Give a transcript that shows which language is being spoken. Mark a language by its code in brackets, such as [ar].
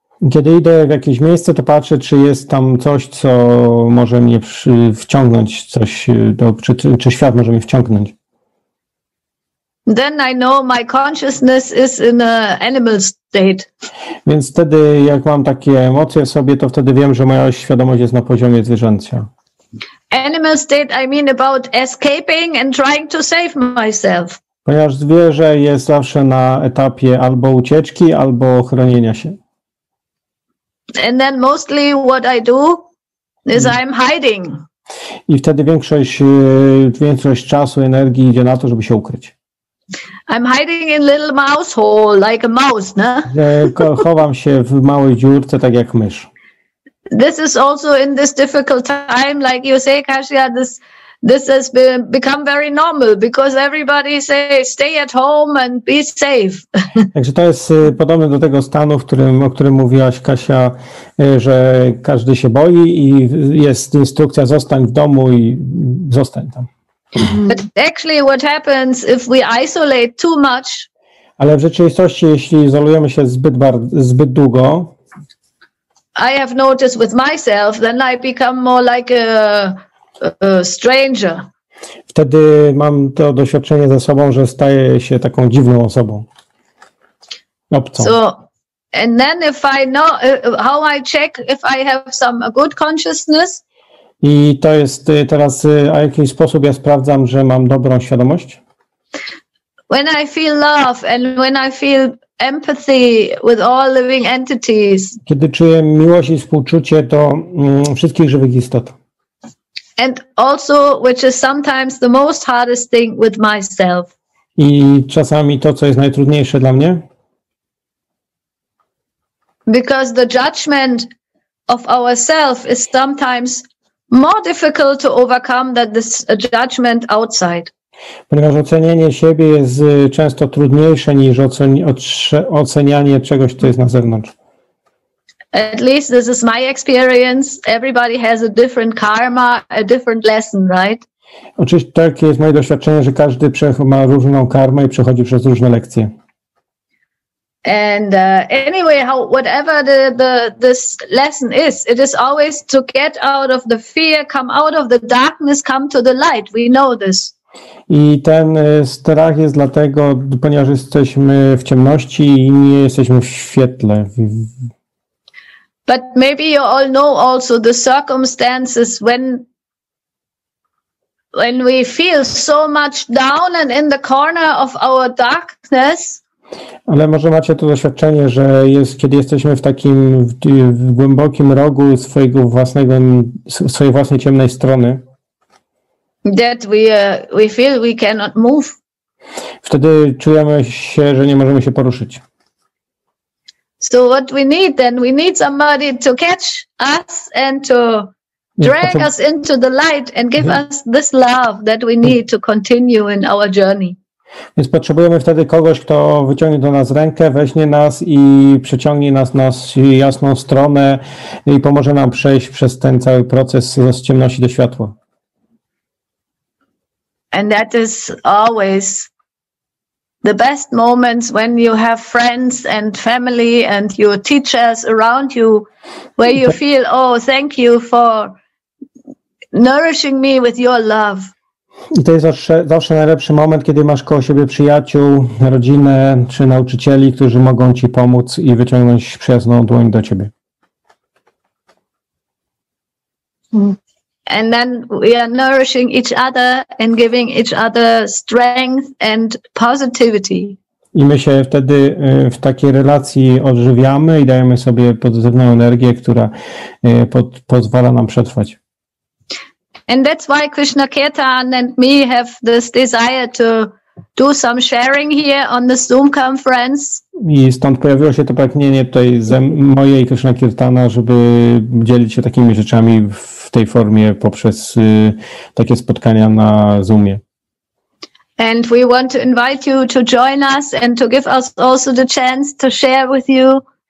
[pl] Kiedy idę w jakieś miejsce, to patrzę, czy jest tam coś, co może mnie wciągnąć, czy świat może mnie wciągnąć. [en] Then I know my consciousness is in an animal state. [pl] Więc wtedy, jak mam takie emocje w sobie, to wtedy wiem, że moja świadomość jest na poziomie zwierzęcia. [en] Animal state, I mean about escaping and trying to save myself. [pl] Ponieważ zwierzę jest zawsze na etapie albo ucieczki, albo chronienia się. [en] And then mostly what I do is I'm hiding. [pl] I wtedy większość czasu, energii idzie na to, żeby się ukryć. [en] I'm hiding in little mouse hole, like a mouse, no? [pl] Chowam się w małej dziurce, tak jak mysz. [en] This is also in this difficult time, like you say, Kasia, this has become very normal because everybody says stay at home and be safe. [pl] Także to jest podobne do tego stanu, o którym mówiłaś, Kasia, że każdy się boi i jest instrukcja zostań w domu i zostań tam. [en] But actually what happens if we isolate too much? [pl] Ale w rzeczywistości, jeśli izolujemy się zbyt długo, [en] I have noticed with myself, then I become more like a stranger. [pl] Wtedy mam to doświadczenie ze sobą, że staję się taką dziwną osobą. Obcą. [en] So, and then if I know how I check if I have some good consciousness. [pl] I to jest teraz, a w jaki sposób ja sprawdzam, że mam dobrą świadomość? [en] When I feel love and when I feel empathy with all living entities. [pl] Kiedy czuję miłość i współczucie do wszystkich żywych istot. [en] And also, which is sometimes the most hardest thing with myself. [pl] I czasami to, co jest najtrudniejsze dla mnie. [en] Because the judgment of ourselves is sometimes more difficult to overcome than this judgment outside. [pl] Ponieważ ocenianie siebie jest często trudniejsze niż ocenianie czegoś, co jest na zewnątrz. [en] At least this is my experience. Everybody has a different karma, a different lesson, right? [pl] Oczywiście takie jest moje doświadczenie, że każdy ma różną karmę i przechodzi przez różne lekcje. [en] And anyway, whatever this lesson is, it is always to get out of the fear, come out of the darkness, come to the light. We know this. [pl] I ten strach jest dlatego, ponieważ jesteśmy w ciemności i nie jesteśmy w świetle. [en] But maybe you all know also the circumstances when we feel so much down and in the corner of our darkness. [pl] Ale może macie to doświadczenie, że jest, kiedy jesteśmy w takim w głębokim rogu swojego własnego, swojej własnej ciemnej strony. [en] That we feel we cannot move. [pl] Wtedy czujemy się, że nie możemy się poruszyć. [en] So what we need then? We need somebody to catch us and to drag us into the light and give us this love that we need to continue in our journey. [pl] Więc potrzebujemy wtedy kogoś, kto wyciągnie do nas rękę, weźmie nas i przeciągnie nas na jasną stronę i pomoże nam przejść przez ten cały proces z ciemności do światła. [en] And that is always the best moments when you have friends and family and your teachers around you, where you feel, oh, thank you for nourishing me with your love. [pl] I to jest zawsze najlepszy moment, kiedy masz koło siebie przyjaciół, rodzinę czy nauczycieli, którzy mogą ci pomóc i wyciągnąć przyjazną dłoń do ciebie. [en] And then we are nourishing each other and giving each other strength and positivity. [pl] I my się wtedy w takiej relacji odżywiamy i dajemy sobie pozytywną energię, która pozwala nam przetrwać. [en] And that's why KrysznaKirtan and me have this desire to do some sharing here on the Zoom conference. [pl] I stąd pojawiło się to pragnienie tutaj moje i KrysznaKirtana, żeby dzielić się takimi rzeczami w tej formie poprzez takie spotkania na Zoomie. [en] And we want to invite you to join us and to give us also the chance to share with you.